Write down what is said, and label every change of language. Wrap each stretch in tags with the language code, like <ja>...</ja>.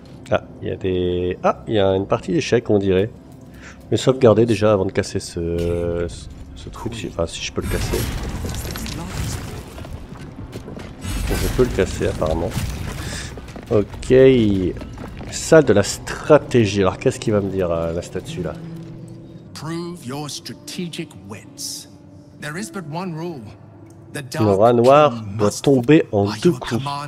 <fr>Ah, il y a des... Ah, il y a une partie d'échec, on dirait. Mais sauvegarder déjà avant de casser ce truc, enfin si je peux le casser. Je peux le casser apparemment. Ok. Salle de la stratégie. Alors qu'est-ce qu'il va me dire la statue là?</fr> <en>Prove your strategic wits. There is but one rule. The dark</en> <fr>le rat noir doit tomber en deux coups.</fr>